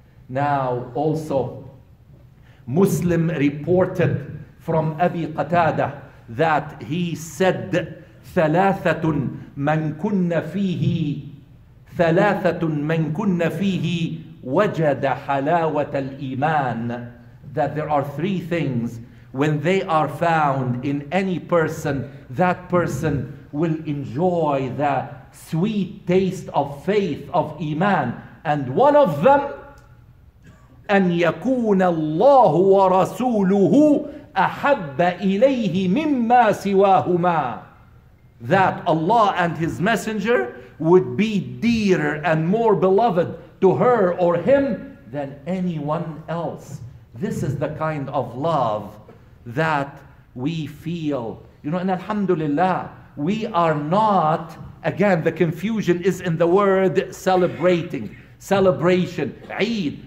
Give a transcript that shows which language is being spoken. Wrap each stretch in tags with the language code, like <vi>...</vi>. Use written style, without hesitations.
<en>Now also, Muslim reported from Abi Qatada that he said,</en> <ar>ثَلَاثَةٌ مَنْ كُنَّ فِيهِ ثَلَاثَةٌ مَنْ كُنَّ فِيهِ وَجَدَ حَلَاوَةَ الْإِيمَانِ,</ar> <en>that there are three things, when they are found in any person, that person will enjoy the sweet taste of faith, of Iman. And one of them,</en> <ar>أن يكون الله ورسوله أحب إليه مما سواهما.</ar> <en>That Allah and His Messenger would be dearer and more beloved to her or him than anyone else. This is the kind of love that we feel. You know, and alhamdulillah, we are not, again, the confusion is in the word celebrating, celebration, Eid.</en>